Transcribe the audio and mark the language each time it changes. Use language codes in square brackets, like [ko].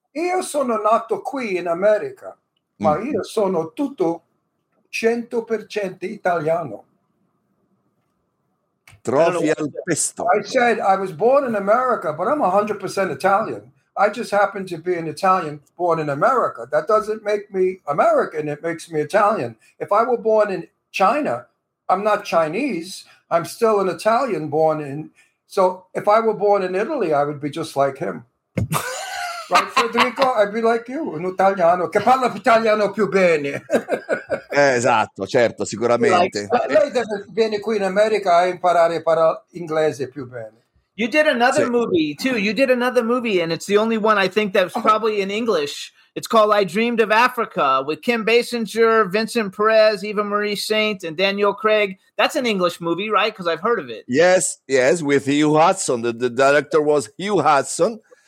[it] Io sono nato qui in America, ma io sono tutto 100% italiano. Trofi al pesto. [en] I said I was born in America, but I'm 100% Italian. I just happen to be an Italian born in America. That doesn't make me American. It makes me Italian. If I were born in China, I'm not Chinese. I'm still an Italian born in. So if I were born in Italy, I would be just like him. Right, Federico? I'd be like you, [it] un italiano che parla italiano più bene. Esatto, certo, sicuramente. Lei deve venire qui in America a imparare a parlare inglese più bene. [en] You did another movie, too. You did another movie, and it's the only one I think that's probably in English. It's called I Dreamed of Africa with Kim Basinger, Vincent Perez, Eva Marie Saint, and Daniel Craig. That's an English movie, right? Because I've heard of it. Yes, yes, with Hugh Hudson. The director was Hugh Hudson.